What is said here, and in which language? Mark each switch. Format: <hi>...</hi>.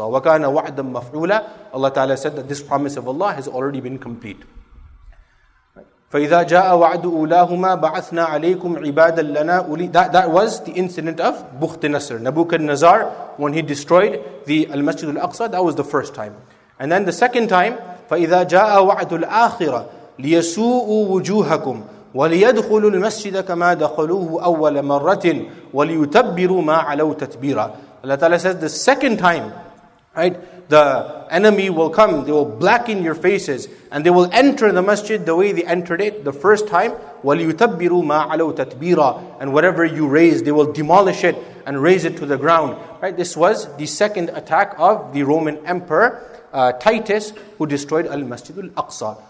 <ar>وَكَانَ وَعْدًا مَفْعُولًا.</ar> <en>Allah ta'ala said that this promise of Allah has already been complete.</en> <ar>فَإِذَا جَاءَ وَعْدُ أُولَاهُمَا بَعَثْنَا عَلَيْكُمْ عِبَادًا لَنَا أُولِي.</ar> <en>That was the incident of Bukhtinasr, Nabuchadnezzar, when he destroyed the Al-Masjid Al-Aqsa. That was the first time. And then the second time,</en> <ar>فَإِذَا جَاءَ وَعْدُ الْآخِرَةِ لِيَسُوءُوا وُجُوهَكُمْ وَلِيَدْخُلُوا الْمَسْجِدَ كَمَا دَخَلُوهُ أَوَّلَ مَرَّةٍ وَلِيُتَبِّرُوا مَا عَلَوْا تَتْبِيرًا.</ar> <en>Allah Ta'ala says the second time, right, the enemy will come, they will blacken your faces, and they will enter the masjid the way they entered it the first time.</en> <ar>وَلِيُتَبِّرُوا مَا عَلَوْا تَتْبِيرًا.</ar> <en>And whatever you raise, they will demolish it and raise it to the ground. Right, this was the second attack of the Roman Emperor Titus, who destroyed Al-Masjid Al-Aqsa.</en>